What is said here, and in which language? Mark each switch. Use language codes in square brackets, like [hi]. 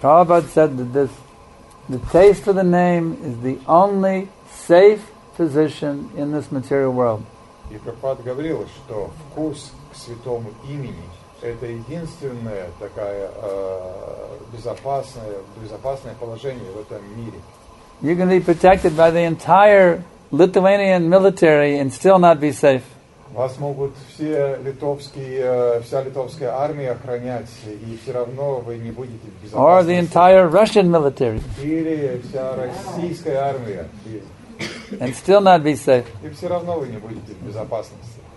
[en] Prabhupada said that this, the taste for the name is the only safe position in this material world. [ru] И Прабхупада говорил, что вкус к святому имени это единственное такое безопасное положение в этом мире. [en] You can be protected by the entire Lithuanian military and still not be safe. [ru] Вас могут все литовские, вся литовская армия охранять, и все равно вы не будете в безопасности. [en] Or the entire Russian military. [ru] Или вся российская армия. [en] And still not be safe. [ru] И все равно вы не будете в безопасности.